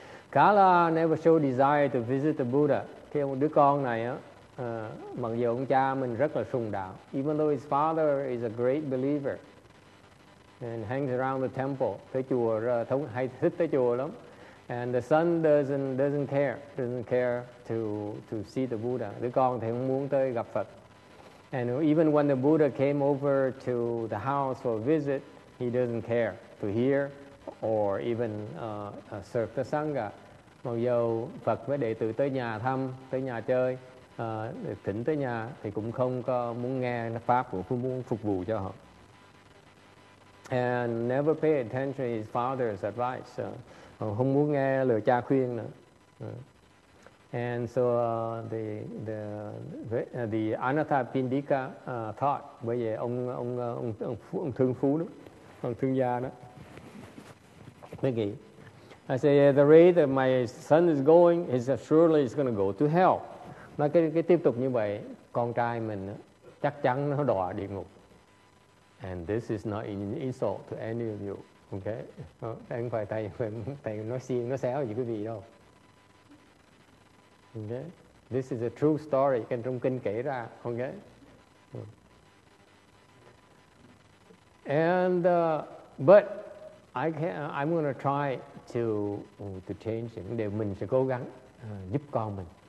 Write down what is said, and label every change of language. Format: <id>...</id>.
<en>Kala never showed desire to visit the Buddha.</en> <vi>Cái ông đứa con này á, mặc dù ông cha mình rất là sùng đạo.</vi> <en>Even though his father is a great believer and hangs around the temple,</en> <vi>tới chùa hay thích tới chùa lắm.</vi> <en>And the son doesn't care to see the Buddha.</en> <vi>Đứa con thì không muốn tới gặp Phật.</vi> <en>And even when the Buddha came over to the house for a visit, he doesn't care to hear or even serve the sangha.</en> <vi>Mặc dù Phật với đệ tử tới nhà thăm, tới nhà chơi, thỉnh tới nhà thì cũng không có muốn nghe pháp của cũng muốn phục vụ cho họ.</vi> <en>And never pay attention to his father's advice.</en> <vi>Không muốn nghe lời cha khuyên nữa.</vi> <en>And so the Anatha Pindika thought,</en> <vi>bởi vì ông thương phú đó, ông thương gia đó, mới nghĩ.</vi> <en>I say the rate that my son is going, he's surely is going to go to hell.</en> <vi>Nó cái tiếp tục như vậy, con trai mình chắc chắn nó đọa địa ngục.</vi> <en>And this is not an insult to any of you.</en> <vi>Okay, không phải thầy nói xiên nó xéo gì quý vị đâu.</vi> <en>Okay, this is a true story</en> <vi>kinh trong kinh kể ra.</vi> <en>Okay, and but I'm gonna try to change it.</en> <vi>Để mình sẽ cố gắng giúp con mình.</vi>